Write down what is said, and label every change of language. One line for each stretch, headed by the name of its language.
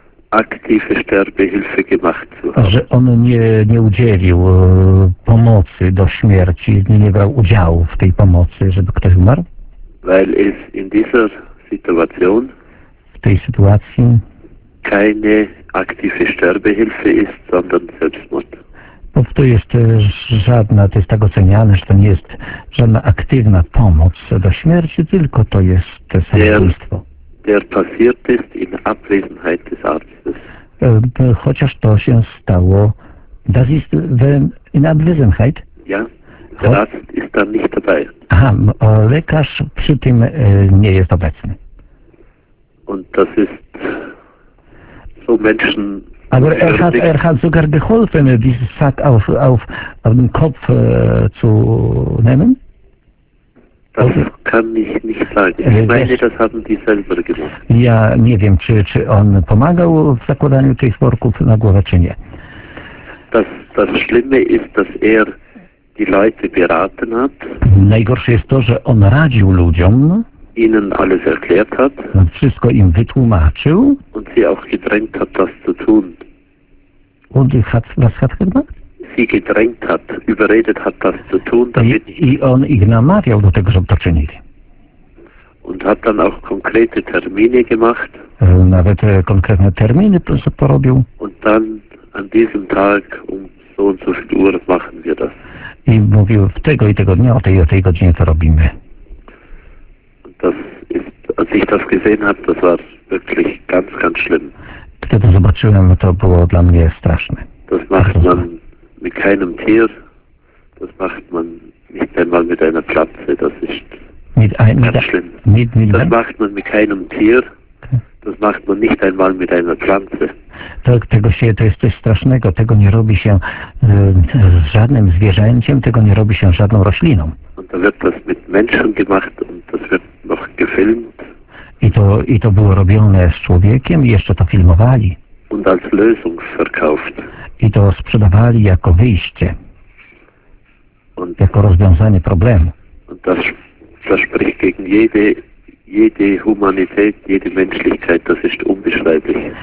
German: Aktive Sterbehilfe gemacht zu haben.
Polish: Że on nie udzielił pomocy do śmierci, nie brał udziału w tej pomocy, żeby ktoś umarł.
German: Weil es in dieser Situation
Polish: w tej sytuacji
German: keine aktive Sterbehilfe ist, sondern Selbstmord.
Polish: Bo to jest żadna, to jest tak oceniane, że to nie jest żadna aktywna pomoc do śmierci, tylko to jest samobójstwo.
German: Der passiert ist in Abwesenheit des Arztes.
Polish: Chociaż to się stało,
German: das ist in Abwesenheit? Ja, der Arzt ist dann nicht dabei.
Polish: Aha, lekarz przy tym nie jest obecny.
German: Und das ist so Menschen. Aber er hat sogar geholfen, diesen Sack auf den Kopf zu nehmen? Das kann ich nicht sagen. Ich meine, das haben die selber gemacht.
Polish: Ja nie wiem, czy on pomagał w zakładaniu tych worków na głowę, czy nie.
German: Das Schlimme ist, dass die Leute beraten hat.
Polish: Najgorsze jest to, że on radził ludziom.
German: Ihnen alles erklärt hat.
Polish: Wszystko im wytłumaczył.
German: Und sie auch gedrängt hat, das zu tun. Und was hat gemacht? Sie gedrängt hat, überredet hat, das zu tun, damit.
Polish: I on ich namawiał do tego, żeby to czynili.
German: Und hat dann auch konkrete Termine gemacht.
Polish: Nawet konkretne terminy porobił.
German: Und dann an diesem Tag so und so viel Uhr machen wir das.
Polish: I mówił w tego i tego dnia, o tej godzinie to robimy.
German: Das ist, als ich das gesehen habe, das war wirklich ganz, ganz schlimm.
Polish: Kiedy to zobaczyłem, to było dla mnie straszne.
German: Das macht man mit keinem Tier, das macht man nicht einmal mit einer Pflanze, das ist ganz schlimm. Das macht man mit keinem Tier, das macht man nicht einmal mit einer Pflanze.
Polish: To jest coś strasznego, tego nie robi się z żadnym zwierzęciem, tego nie robi się z żadną rośliną.
German: Und da wird das mit Menschen gemacht und das wird noch gefilmt.
Polish: I to było robione z człowiekiem i jeszcze to filmowali.
German: und als Lösung verkauft.
Polish: I to sprzedawali jako wyjście,
German: und,
Polish: jako rozwiązanie problemu.
German: Das spricht gegen jede Humanität, jede Menschlichkeit, das ist unbeschreiblich.